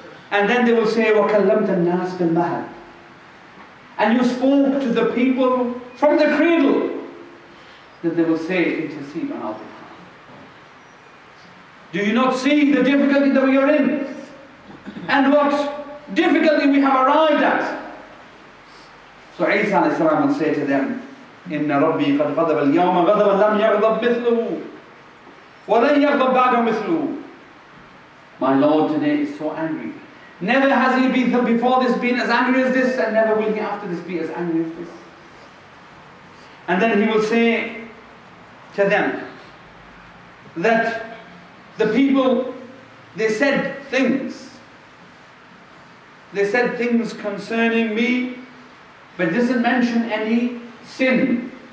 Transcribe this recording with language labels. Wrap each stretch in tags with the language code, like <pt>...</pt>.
<en>And then they will say,</en> <ar>وَكَلَّمْتَ النَّاسِ بِالْمَهَدِ.</ar> <en>And you spoke to the people from the cradle. Then they will say, intercede on our behalf. Do you not see the difficulty that we are in? And what difficulty we have arrived at? So Isa alayhi salam will say to them,</en> <ar>إِنَّ رَبِّي قَدْ غَضَبَ الْيَوْمَ غَضَبًا لَمْ يَغْضَبْ مِثْلُهُ وَلَنْ يَغْضَبْ بَعْدَ مِثْلُهُ.</ar> <en>My Lord today is so angry. Never has he been before this been as angry as this, and never will he after this be as angry as this. And then he will say to them that the people, they said things concerning me, but doesn't mention any sin.</en>